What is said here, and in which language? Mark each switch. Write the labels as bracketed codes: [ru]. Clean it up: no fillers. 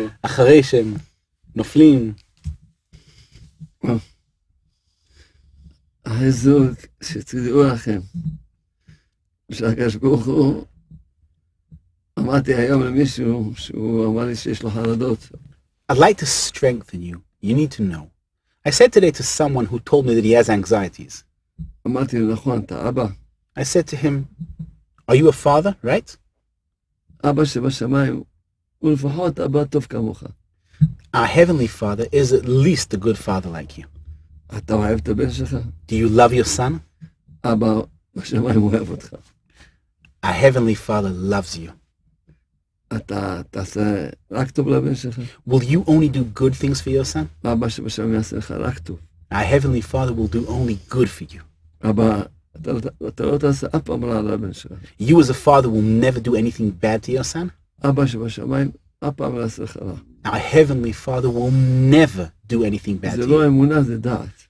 [he] אחרי שהם נופלים. החיזוק שתדעו לכם, שהקדוש ברוך הוא, אמרתי היום למישהו שהוא אמר לי שיש לו חרדות. [en] I'd like to strengthen you. You need to know. I said today to someone who told me that he has anxieties. [he] אמרתי לו, נכון, אתה אבא? [en] I said to him, are you a father, right? [he] אבא שבשמיים, הוא לפחות אבא טוב כמוך. [en] Our heavenly father is at least a good father like you. [he] אתה אוהב את הבן שלך? [en] Do you love your son? [he] אבא בשמיים אוהב אותך. [en] A heavenly father loves you. [he] אתה תעשה רק טוב לבן שלך. [en] Will you only do good things for your son? [he] אבא שבשמיים יעשה לך רק טוב. [en] A heavenly father will do only good for you. [he] אבא אתה לא תעשה אף פעם רע לבן שלך. [en] You as a father will never do anything bad to your son? [he] אבא שבשמיים אף פעם לא יעשה לך רע. [en] Our heavenly father will never do anything bad to you.